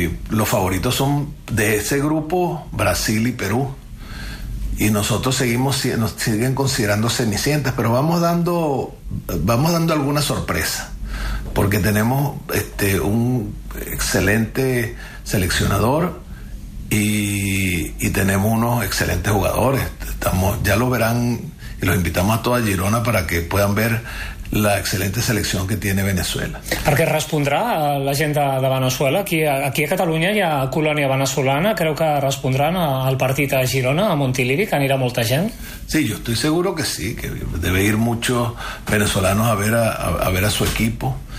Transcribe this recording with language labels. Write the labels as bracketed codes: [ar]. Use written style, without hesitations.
[es] Los favoritos son de ese grupo Brasil y Perú, y nosotros nos siguen considerando cenicientas, pero vamos dando alguna sorpresa porque tenemos un excelente seleccionador y tenemos unos excelentes jugadores. Ya lo verán, y los invitamos a toda Girona para que puedan ver la excelente selección que tiene Venezuela. [ca] ¿Per què respondrà la gent de Venezuela? Aquí a Catalunya hi ha colònia venezolana. ¿Creu que respondran al partit a Girona, a Montilivi, que anirà molta gent? [es] Sí, yo estoy seguro que sí, que debe ir muchos venezolanos a ver a su equipo.